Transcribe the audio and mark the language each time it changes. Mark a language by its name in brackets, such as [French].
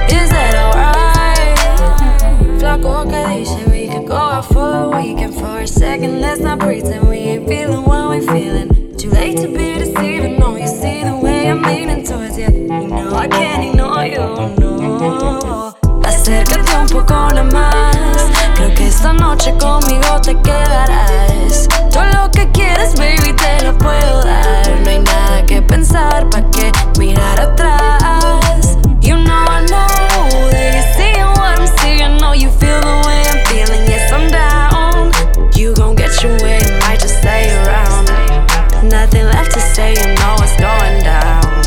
[English] Is that alright? Flaco, Galicia, we can go out for a weekend. For a second, let's not pretend we ain't feeling what we're feeling. Too late to be deceiving, no, you see the way I'm leaning towards you. You know I can't ignore you, no. [Spanish] Acércate un poco nomás. Creo que esta noche conmigo te quedarás. Todo lo que quieres, baby, te lo puedo dar. No hay nada que pensar, pa' qué mirar atrás. [English] You know I know that you're seeing what I'm seeing. I know you feel the way I'm feeling. Yes, I'm down. You gon' get your way, might just stay around. Nothing left to say, you know what's going down.